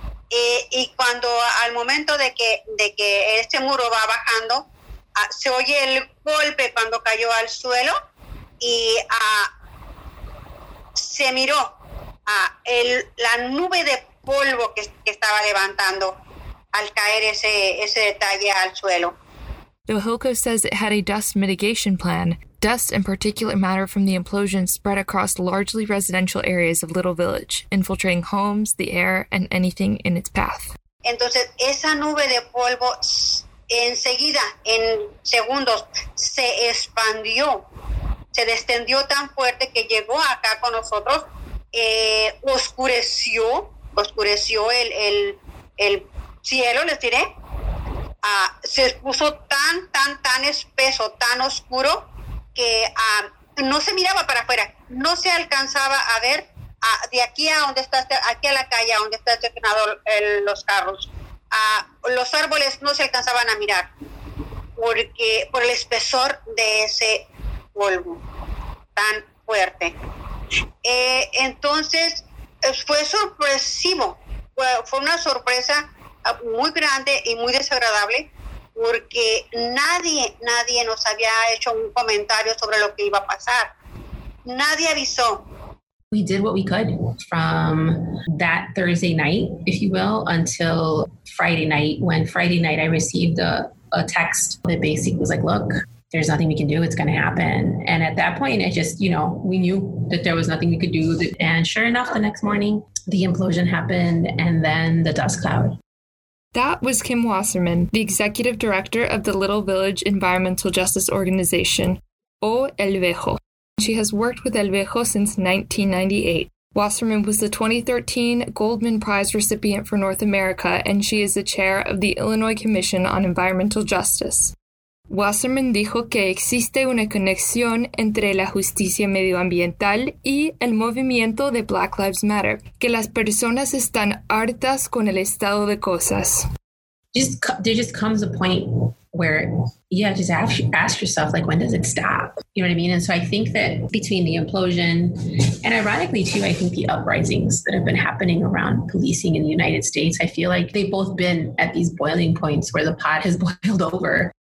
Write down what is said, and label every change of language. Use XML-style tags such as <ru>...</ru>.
<es>Y cuando al momento de que este muro va bajando, se oye el golpe cuando cayó al suelo y se miró la nube de polvo que estaba levantando al caer ese detalle al suelo.</es> <en>Hilco says it had a dust mitigation plan. Dust and particulate matter from the implosion spread across largely residential areas of Little Village, infiltrating homes, the air, and anything in its path.</en> <es>Entonces, esa nube de polvo enseguida, en segundos, se expandió. Se extendió tan fuerte que llegó acá con nosotros, oscureció el cielo, les diré. Se puso tan espeso, tan oscuro, que no se miraba para afuera, no se alcanzaba a ver de aquí a donde está, aquí a la calle, a donde está estacionado los carros. Los árboles no se alcanzaban a mirar por el espesor de ese polvo tan fuerte. Entonces, fue sorpresivo, fue una sorpresa muy grande y muy desagradable, porque nadie nos había hecho un comentario sobre lo que iba a pasar. Nadie avisó.</es> <en>We did what we could from that Thursday night, if you will, until Friday night. When Friday night I received a text that basically was like, look, there's nothing we can do, it's going to happen. And at that point, it just, you know, we knew that there was nothing we could do. And sure enough, the next morning, the implosion happened and then the dust cloud. That was Kim Wasserman, the executive director of the Little Village Environmental Justice Organization, O El Vejo. She has worked with El Vejo since 1998. Wasserman was the 2013 Goldman Prize recipient for North America, and she is the chair of the Illinois Commission on Environmental Justice.</en> <es>Wasserman dijo que existe una conexión entre la justicia medioambiental y el movimiento de Black Lives Matter, que las personas están hartas con el estado de cosas.</es> <en>There just comes a point where, yeah, just ask yourself, like, when does it stop? You know what I mean? And so I think that between the implosion and ironically, too, I think the uprisings that have been happening around policing in the United States, I feel like they've both been at these boiling points where the pot has boiled over.</en>